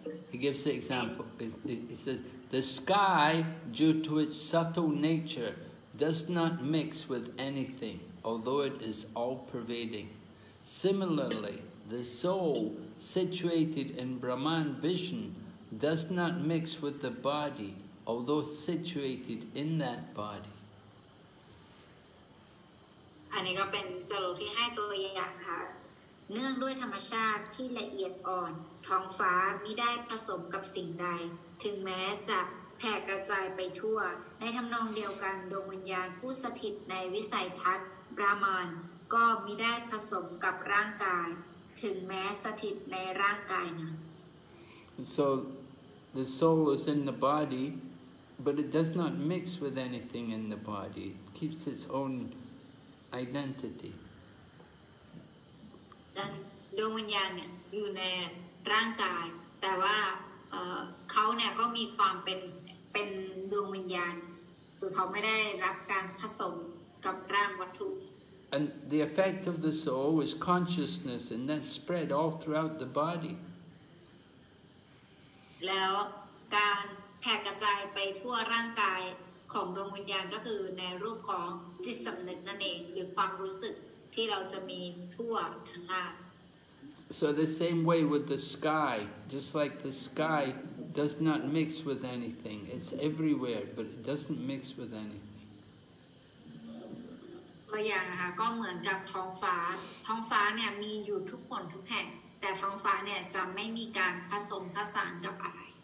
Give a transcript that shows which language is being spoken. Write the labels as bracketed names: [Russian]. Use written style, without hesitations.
[English] He gives the example, he says, the sky, due to its subtle nature, does not mix with anything, although it is all-pervading. Similarly, the soul, situated in Brahman vision, does not mix with the body, although situated in that body. [Thai] อันนี้ก็เป็นสรุปที่ให้ตัวอย่างค่ะเนื่องด้วยธรรมชาติที่ละเอียดอ่อนท้องฟ้ามิได้ผสมกับสิ่งใดถึงแม้จะแผ่กระจายไปทั่วในทำนองเดียวกันดวงวิญญาณผู้สถิตในวิสัยทัศน์บรามานก็มิได้ผสมกับร่างกายถึงแม้สถิตในร่างกายนั้น [English] So the soul is in the body but it does not mix with anything in the body it keeps its ownidentity [Thai] ดวงวิญญาณเนี่ยอยู่ในร่างกายแต่ว่าเขาเนี่ยก็มีความเป็นดวงวิญญาณคือเขาไม่ได้รับการผสมกับร่างวัตถุ [English] and the effect of the soul is consciousness and then spread all throughout the body [Thai] แล้วการแผ่กระจายไปทั่วร่างกายของดวงวิญญาณก็คือในรูปของจิตสำนึกนั่นเองหรือความรู้สึกที่เราจะมีทั่วทั้งร่าง [English] So the same way with the sky, just like the sky does not mix with anything. It's everywhere, but it doesn't mix with anything. [Thai] ตัวอย่างนะคะก็เหมือนกับท้องฟ้าท้องฟ้าเนี่ยมีอยู่ทุกคนทุกแห่งแต่ท้องฟ้าเนี่ยจะไม่มีการผสมผสานกับอะไร